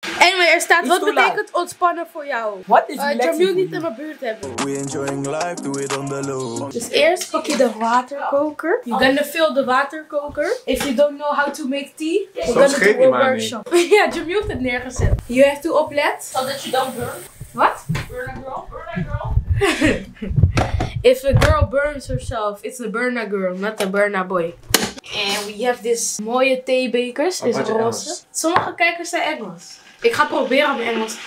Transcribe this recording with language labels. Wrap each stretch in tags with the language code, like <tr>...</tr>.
<nl>maar er staat, wat betekent ontspannen voor jou? Wat is relaxing? Jamil niet in mijn buurt hebben.</nl> <en>We enjoying life, do it on the low.</en> <nl>Dus eerst pak je de waterkoker.</nl> <en>You're gonna fill the waterkoker. If you don't know how to make tea, we're gonna do a workshop.</en> <nl>Ja, Jamil heeft het neergezet.</nl> <en>You have to</en> <nl>oplet.</nl> <en>So that you don't burn. What? Burn a girl. If a girl burns herself, it's a burn a girl, not a burn a boy.</en> <nl>En</nl> <en>we have this</en> <nl>mooie theebekers, is het roze. Sommige kijkers zijn Engels. Ik ga proberen om Engels.</nl>